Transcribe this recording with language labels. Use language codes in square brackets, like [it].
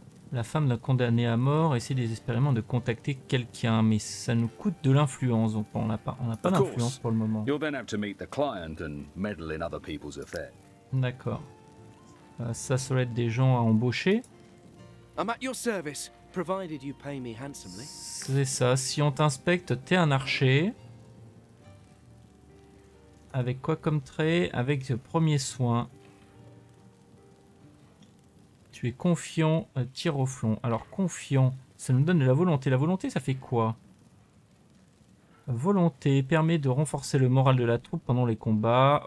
[fr] La femme d'un condamné à mort essaie désespérément de contacter quelqu'un, mais ça nous coûte de l'influence, donc on n'a pas d'influence pour le moment. [en] You'll then have to meet the client and meddle in other people's affairs. [fr] D'accord. Ça serait être des gens à embaucher. [en] I'm at your service, provided you pay me handsomely. [fr] C'est ça, si on t'inspecte, t'es un archer. Avec quoi comme trait? Avec le premier soin. Tu es confiant, tire au flon. Alors confiant, ça nous donne de la volonté. La volonté, ça fait quoi? Volonté permet de renforcer le moral de la troupe pendant les combats.